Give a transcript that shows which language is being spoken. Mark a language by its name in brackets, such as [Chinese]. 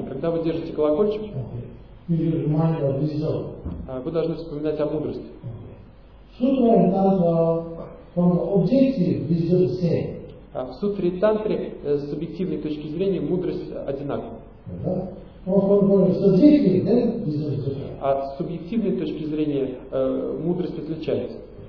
[Russian] И когда вы держите колокольчик, [English] you should remind yourself. [Russian] Вы должны вспоминать о мудрости. [English] Sutra and tantra, from the objective, this is the same. [Russian] А в сутре и тантре с объективной точки зрения мудрость одинакова. А с субъективной точки зрения мудрость отличается.